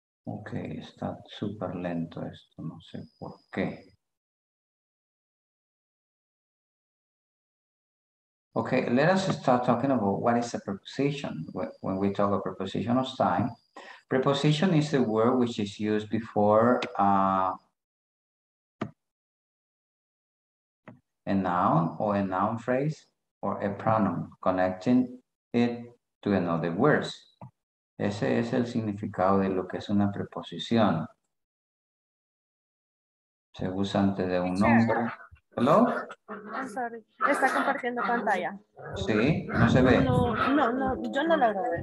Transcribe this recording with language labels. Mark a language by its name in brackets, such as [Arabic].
[Spanish] Ok, está súper lento esto, no sé por qué. [English] Okay, let us start talking about what is a preposition. When we talk of preposition of time, preposition is the word which is used before a noun or a noun phrase or a pronoun, connecting it to another word. [Spanish] Ese es el significado de lo que es una preposición. Se usa antes de un nombre. [English] Hello? I'm sorry. [Spanish] Está compartiendo pantalla. Sí, no se ve. No, yo no la veo.